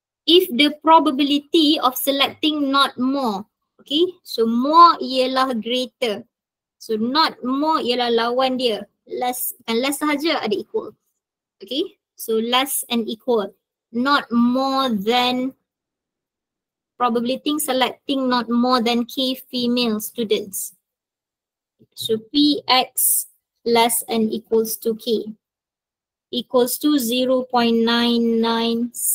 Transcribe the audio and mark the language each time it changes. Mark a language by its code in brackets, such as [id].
[en] If the probability of selecting not more. [ms] Okay. So more ialah greater. So not more ialah lawan dia. Less, bukan less sahaja, ada equal. Okay. [en] So less and equal, not more than probability selecting not more than k female students. So px less and equals to k equals to 0.9963.